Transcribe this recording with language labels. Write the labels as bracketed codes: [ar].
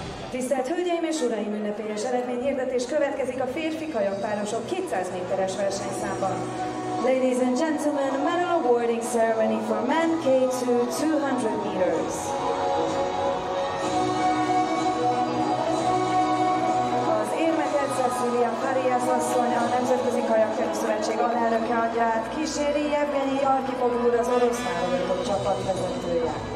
[hu] Tisztelt Hölgyeim és Uraim, ünnepélyes eredményhirdetés következik a férfi kajakpárosok 200 méteres versenyszámban. [en] Ladies and gentlemen, medal awarding ceremony for men K2 200 meters. [hu] Az érmet Cecilia Farias asszony, a Nemzetközi Kajakkenu Szövetség alelnöke adját, kíséri Jevgeni Arkhipov úr, az orosz válogatott csapatvezetője.